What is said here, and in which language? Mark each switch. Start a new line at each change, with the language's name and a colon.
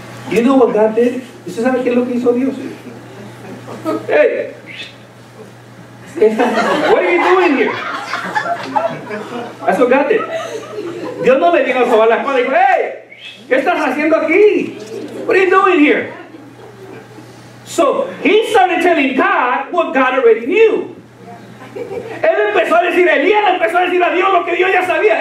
English: You know what God did?
Spanish: ¿Usted sabe qué es lo que hizo Dios? Hey!
English: What are you doing here? That's what God did.
Spanish: Dios no le dijo a sobar la espalda y dijo, hey! ¿Qué estás haciendo aquí?
English: What are you doing here? So, he started telling God what God already knew.
Spanish: Él empezó a decir, Elías empezó a decir a Dios lo que Dios ya sabía.